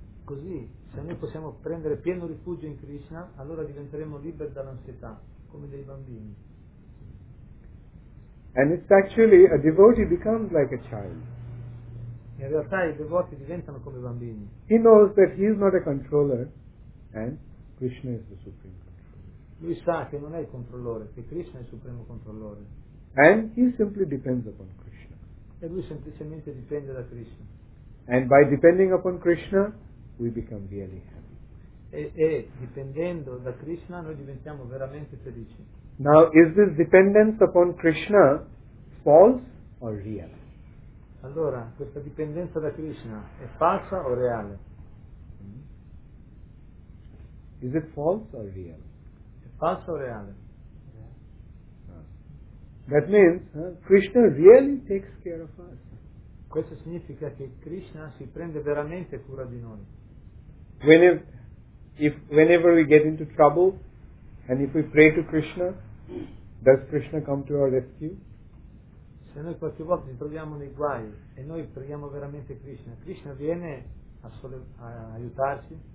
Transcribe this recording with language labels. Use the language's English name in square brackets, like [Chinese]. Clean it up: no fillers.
[Italian] Così, se noi possiamo prendere pieno rifugio in Krishna, allora diventeremo liberi dall'ansietà, come dei bambini. [English] And it's actually, a devotee becomes like a child. [Italian] In realtà i devoti diventano come bambini. [English] He knows that he is not a controller and Krishna is the supreme. [Italian] Lui sa che non è il controllore, che Krishna è il supremo controllore. [English] And he simply depends upon Krishna. [Italian] E lui semplicemente dipende da Krishna. [English] And by depending upon Krishna, we become really happy. [Italian] E dipendendo da Krishna, noi diventiamo veramente felici. [English] Now, is this dependence upon Krishna false or real? [Italian] Allora, questa dipendenza da Krishna è falsa o reale? [English] Is it false or real? [Italian] Falso o reale? [English] That means Krishna really takes care of us. [Italian] Questo significa che Krishna si prende veramente cura di noi. [English] Whenever we get into trouble and if we pray to Krishna, does Krishna come to our rescue? [Italian] Se noi qualche volta ci troviamo nei guai e noi preghiamo veramente Krishna, Krishna viene a aiutarci?